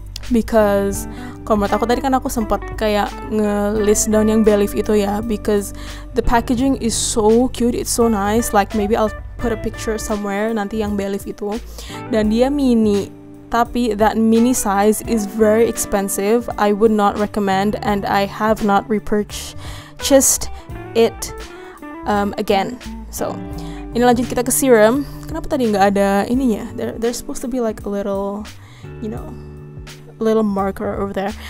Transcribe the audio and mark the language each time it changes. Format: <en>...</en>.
<id>Because kalau menurut aku tadi kan aku sempat kayak nge-list down yang Belif itu ya,</id> <en>because the packaging is so cute, it's so nice, like maybe I'll put a picture somewhere</en> <id>nanti yang Belif itu. Dan dia mini, tapi</id> <en>that mini size is very expensive, I would not recommend, and I have not repurchased it again.</en> <id>So ini lanjut kita ke serum. Kenapa tadi gak ada ininya?</id> <en>There's supposed to be like a little, you know, little marker over there.</en>